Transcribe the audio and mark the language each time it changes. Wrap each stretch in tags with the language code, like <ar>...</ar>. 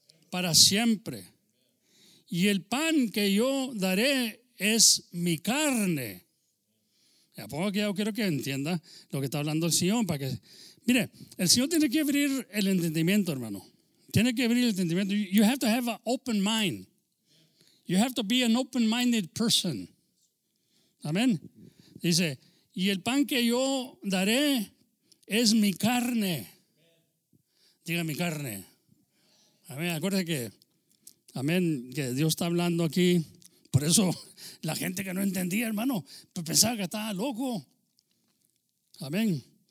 <es>Para siempre. Y el pan que yo daré es mi carne. Ya pongo aquí, yo quiero que entienda lo que está hablando el Señor. Para que, mire, el Señor tiene que abrir el entendimiento, hermano. Tiene que abrir el entendimiento.</es> <en>You have to have an open mind. You have to be an open-minded person.</en> <es>Amén. Dice, y el pan que yo daré es mi carne. Diga mi carne. Amén. Acuérdate que, amén, que Dios está hablando aquí. Por eso la gente que no entendía, hermano, pues pensaba que estaba loco. Amén.</es>